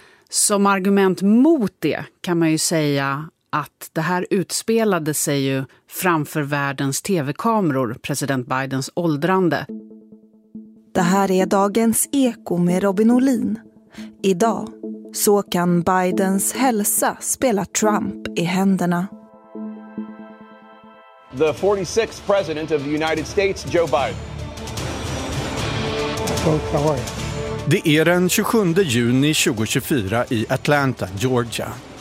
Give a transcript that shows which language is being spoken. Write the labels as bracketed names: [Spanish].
[Swedish] Som argument mot det kan man ju säga att det här utspelade sig ju framför världens tv-kameror, president Bidens åldrande. Det här är dagens eko med Robin Olin. Idag så kan Bidens hälsa spela Trump i händerna. [English] The 46th president of the United States, Joe Biden. [Swedish] Det är den 27 juni 2024 i Atlanta, Georgia.